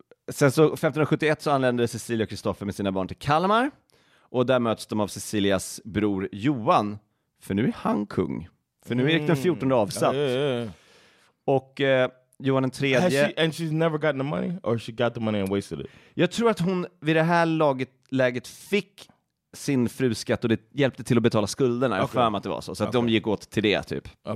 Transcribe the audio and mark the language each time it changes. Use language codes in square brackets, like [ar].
[sv] Sen så 1571 så anländer Cecilia och Kristoffer med sina barn till Kalmar, och där möts de av Cecilias bror Johan, för nu är han kung, för nu är Erik den 14 avsatt. Och Johan den tredje, [en] and she's never gotten the money, or she got the money and wasted it. [sv] Jag tror att hon vid det här läget fick sin fruskatt och det hjälpte till att betala skulderna. Jag för mig att det var så att de gick åt till det typ.